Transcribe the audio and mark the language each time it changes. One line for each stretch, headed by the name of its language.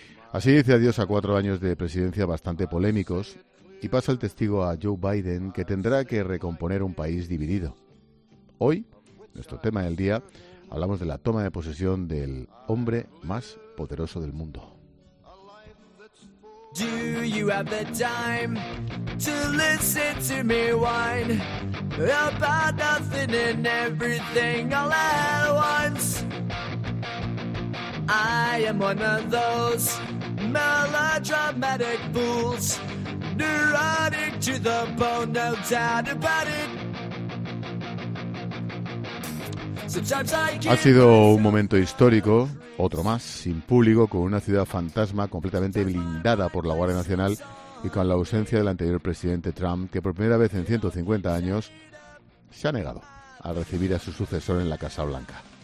Spanish: Así dice adiós a 4 años de presidencia bastante polémicos y pasa el testigo a Joe Biden, que tendrá que recomponer un país dividido. Hoy, nuestro tema del día, hablamos de la toma de posesión del hombre más poderoso del mundo.
English: Do you have the time to listen to me whine about nothing and everything all at once? I am one of those melodramatic fools, neurotic to the bone, no doubt about it.
Spanish: Ha sido un momento histórico, otro más, sin público, con una ciudad fantasma completamente blindada por la Guardia Nacional y con la ausencia del anterior presidente Trump, que por primera vez en 150 años se ha negado a recibir a su sucesor en la Casa Blanca.